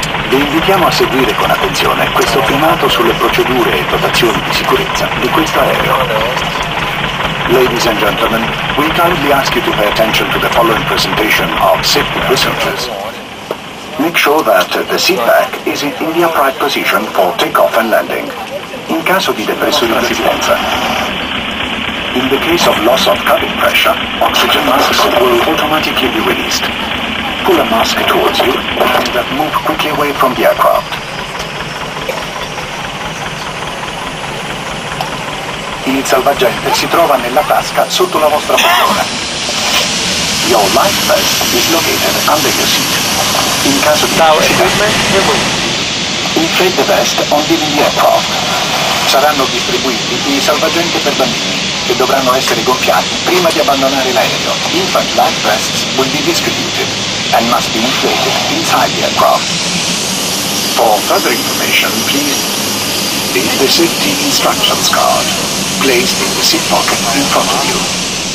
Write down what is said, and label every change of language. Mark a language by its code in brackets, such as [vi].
[it] Vi invitiamo a seguire con attenzione questo filmato sulle procedure e dotazioni di sicurezza di questo aereo. [en] Ladies and gentlemen, we kindly ask you to pay attention to the following presentation of safety procedures. Make sure that the seat back is in the upright position for takeoff and landing. [it] In caso di depressurizzazione. [en] In the case of loss of cabin pressure, oxygen masks will automatically be released. Pull a mask towards you and move quickly away from the aircraft. [it] Il salvagente si trova nella tasca sotto la vostra poltrona. [en] Your life vest is located under your seat. [it] In caso di necessità, [en] inflate the vest on leaving the aircraft. [it] Saranno distribuiti i salvagenti per bambini, che dovranno essere gonfiati prima di abbandonare l'aereo. [en] Infant life vests will be distributed and must be inflated inside the aircraft. For further information, please read the safety instructions card placed in the seat pocket in front of you.